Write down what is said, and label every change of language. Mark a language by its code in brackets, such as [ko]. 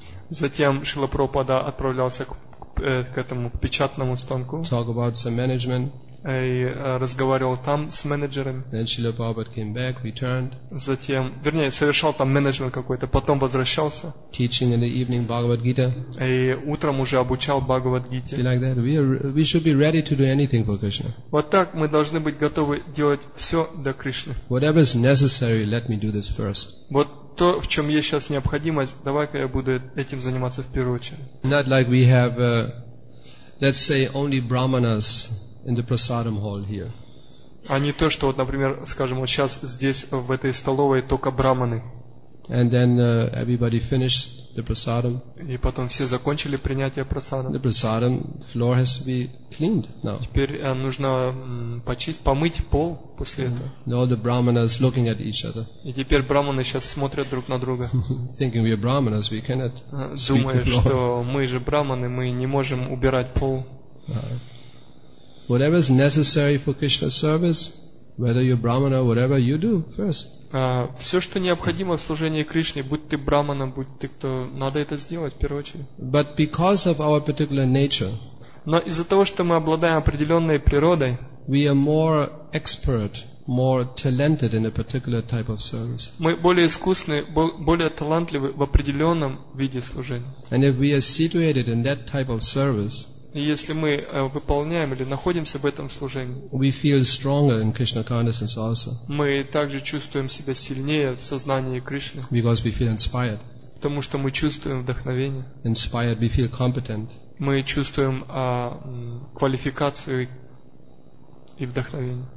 [ru] Затем Шрила Прабхупада отправлялся к этому печатному станку. [en] Talk about some management. [ru] и разговаривал там с менеджером. [en] Then Srila Prabhupada came back, returned. [ru] Затем, вернее, совершал там менеджмент какой-то, потом возвращался. [en] Teaching in the evening Bhagavad Gita. [ru] И утром уже обучал Бхагавад Гите. [en] Like that, we should be ready to do anything for Krishna. [ru] Вот так мы должны быть готовы делать все для Кришны. [en] Whatever is necessary, let me do this first. [ru] Вот то, в чем есть сейчас необходимость, давай-ка я буду этим заниматься в первую очередь. [en] Not like we have, let's say, only brahmanas in the prasadam hall here. [ru] А не то, что, вот, например, скажем, вот сейчас здесь в этой столовой только брахманы. [en] And then everybody finished the prasadam. [ru] И потом все закончили принятие прасадам. [en] The prasadam floor has to be cleaned now. [ru] Теперь нужно помыть пол после этого. [en] All the brahmanas looking at each other. [ru] И теперь брахманы сейчас смотрят друг на друга. [en] Thinking we are brahmanas, we cannot sweep the floor. [ru] Думая, что мы же брахманы, мы не можем убирать пол. [en] Whatever is necessary for Krishna's service, whether you're brahman or whatever, you do first. [ru] Все, что необходимо в служении Кришне, будь ты брахманом, будь ты кто, надо это сделать в первую очередь. [en] But because of our particular nature, [ru] но из-за того, что мы обладаем определенной природой, [en] we are more expert, more talented in a particular type of service. [ru] Мы более искусны, более талантливы в определенном виде служения. [en] And if we are situated in that type of service, [ru] и если мы выполняем или находимся в этом служении, [en] we feel stronger in Krishna consciousness also. [ru] Мы также чувствуем себя сильнее в сознании Кришны. [en] Because we feel inspired. [ru] Потому что мы чувствуем вдохновение. [en] Inspired, we feel competent. [ru] Мы чувствуем квалификацию и вдохновение.